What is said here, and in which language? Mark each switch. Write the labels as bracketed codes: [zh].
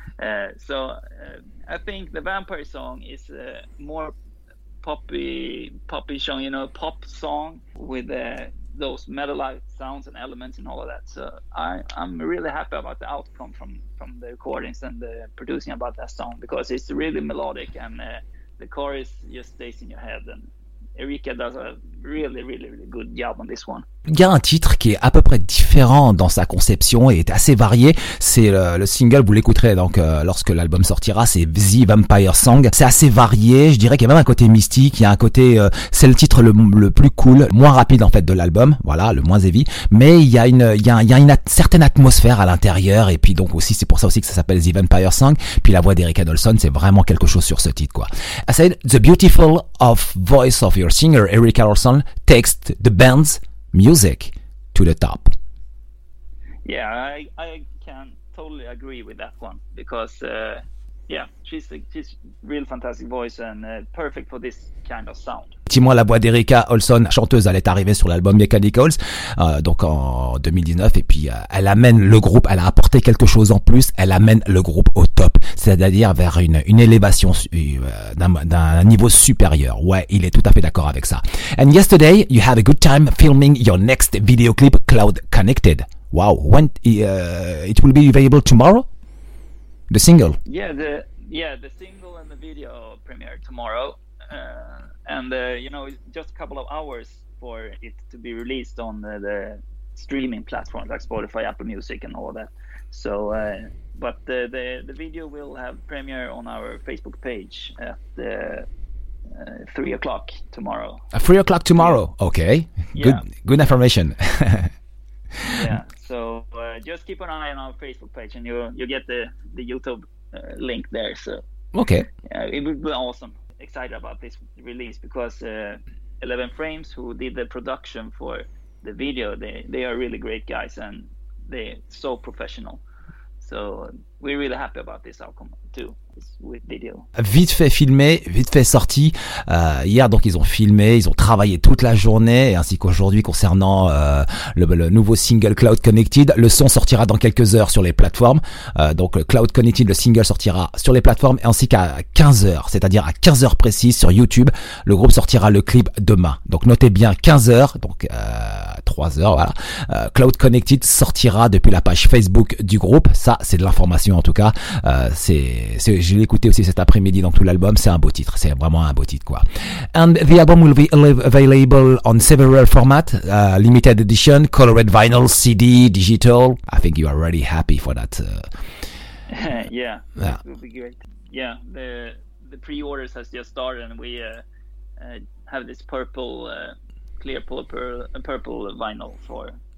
[en] I think the Vampire song is more poppy song, you know, pop song with those metal-like sounds and elements and all of that. So I'm really happy about the outcome from the recordings and the producing about that song, because it's really melodic, and the chorus just stays in your head, and Erika does a really, really, really good job on this one. [fr] Il y a un titre qui est à peu près différent dans sa conception et est assez varié. C'est le single, vous l'écouterez donc lorsque l'album sortira, c'est The Vampire Song. C'est assez varié, je dirais qu'il y a même un côté mystique, il y a un côté c'est le titre le plus cool, moins rapide en fait de l'album, voilà, le moins heavy, mais il y a une certaine atmosphère à l'intérieur, et puis donc aussi c'est pour ça aussi que ça s'appelle The Vampire Song. Puis la voix d'Erika Olsson, c'est vraiment quelque chose sur ce titre, quoi. [en] I said the beautiful of voice of your singer Erika Olsson takes the band's music to the top. Yeah, I can totally agree with that one, because she's real fantastic voice and perfect for this kind of sound. [fr] Effectivement, la voix d'Erika Olsson, chanteuse, elle est arrivée sur l'album Mechanicals, donc en 2019, et puis elle amène le groupe, elle a apporté quelque chose en plus, elle amène le groupe au top, c'est-à-dire vers une élévation d'un niveau supérieur. Ouais, il est tout à fait d'accord avec ça. [en] And yesterday, you had a good time filming your next video clip, Cloud Connected. Wow, when it will be available tomorrow? The single? Yeah, the single and the video premiere tomorrow. And you know, it's just a couple of hours for it to be released on the streaming platforms like Spotify, Apple Music, and all that. So, but the video will have premiere on our Facebook page at 3 o'clock tomorrow. 3 o'clock tomorrow. Yeah. Okay. Yeah. Good information. Yeah. So just keep an eye on our Facebook page, and you get the YouTube link there. So. Okay. Yeah, it would be awesome. Excited about this release, because 11 Frames, who did the production for the video, they are really great guys, and they're so professional. So we're really happy about this outcome too. with video. [fr] Vite fait filmé, vite fait sorti. Hier, donc, ils ont filmé, ils ont travaillé toute la journée, ainsi qu'aujourd'hui concernant le nouveau single Cloud Connected. Le son sortira dans quelques heures sur les plateformes. Donc, Cloud Connected, le single sortira sur les plateformes, ainsi qu'à 15h, c'est-à-dire à 15h précises sur YouTube. Le groupe sortira le clip demain. Donc, notez bien 15h, donc 3h, voilà. Cloud Connected sortira depuis la page Facebook du groupe. Ça, c'est de l'information en tout cas. Je l'ai écouté aussi cet après-midi, donc tout l'album, c'est un beau titre, c'est vraiment un beau titre quoi. [en] And the album will be available on several formats, limited edition, colored vinyl, CD, digital. I think you are really happy for that. Yeah, it will be great. Yeah, the pre-orders has just started, and we have this purple, clear purple vinyl for